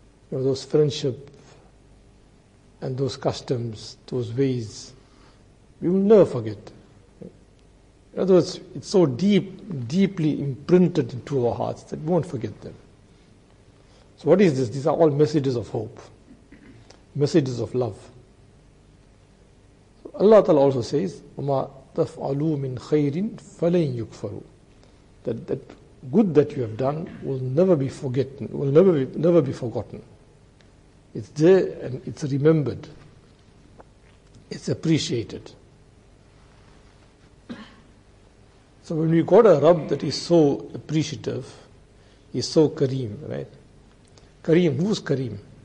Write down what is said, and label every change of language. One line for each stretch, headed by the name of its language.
English: You know, those friendship and those customs, those ways, we will never forget. In other words, it's so deeply imprinted into our hearts that we won't forget them. So, what is this? These are all messages of hope. Messages of love. So Allah Ta'ala also says,
Arabic: وَمَا تَفْعَلُوا مِنْ خَيْرٍ فَلَنْ يُكْفَرُوا.
English: That good that you have done will never be forgotten, will never be forgotten. It's there and it's remembered. It's appreciated. So when we got a Rabb that is so appreciative, is so Kareem, right? Kareem, who's Kareem?